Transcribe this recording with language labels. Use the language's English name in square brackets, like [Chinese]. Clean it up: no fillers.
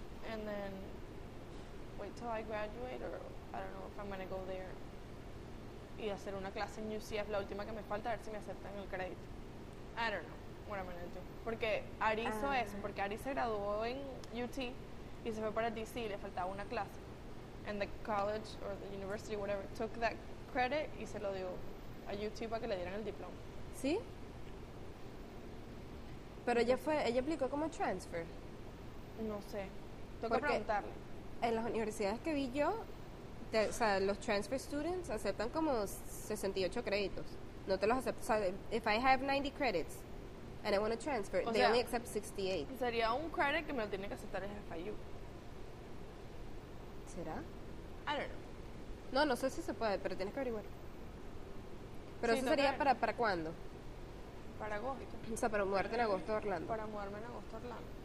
[English] And then wait till I graduate, or I don't know if I'm gonna go there. [Spanish] Y hacer una clase en UCF, la última que me falta, a ver si me aceptan el crédito. [English] I don't know what I'm gonna do. [Spanish] Porque Ari hizo eso, porque Ari se graduó en UT y se fue para DC y le faltaba una clase. [English] And the college or the university, whatever, took that credit [Spanish] y se lo dio a UT para que le dieran el diploma. ¿Sí? Pero ella aplicó como transfer. No sé. Tengo que preguntarle. En las universidades que vi yo, o sea, los transfer students aceptan como 68 créditos. No te los aceptan. O sea, [English] if I have 90 credits and I want to transfer, o they sea, only accept 68. [Spanish] Sería un credit que me lo tiene que aceptar el FIU. ¿Será? [English] I don't know. [Spanish] No, no sé si se puede, pero tienes que averiguar. Pero sí, eso no sería para cuándo? Para agosto. O sea, para mudarte en agosto a Orlando. Para mudarme en agosto a Orlando.